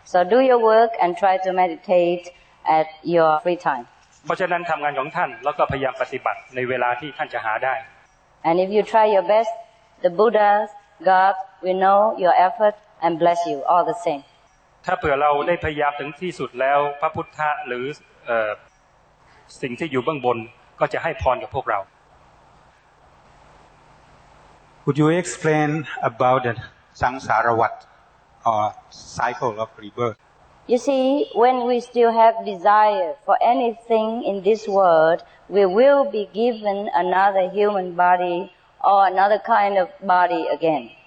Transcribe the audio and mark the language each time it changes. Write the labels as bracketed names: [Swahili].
[English] So do your work and try to meditate at your free time. [Thai] เพราะฉะนั้นทำงานของท่านแล้วก็พยายามปฏิบัติในเวลาที่ท่านจะหาได้ [English] And if you try your best, the Buddha, God will know your effort and bless you all the same. [Thai] ถ้าเผื่อเราได้พยายามถึงที่สุดแล้วพระพุทธะหรือสิ่งที่อยู่เบื้องบนก็จะให้พรกับพวกเรา [English] Would you explain about the samsara vat or cycle of rebirth? You see, when we still have desire for anything in this world, we will be given another human body or another kind of body again.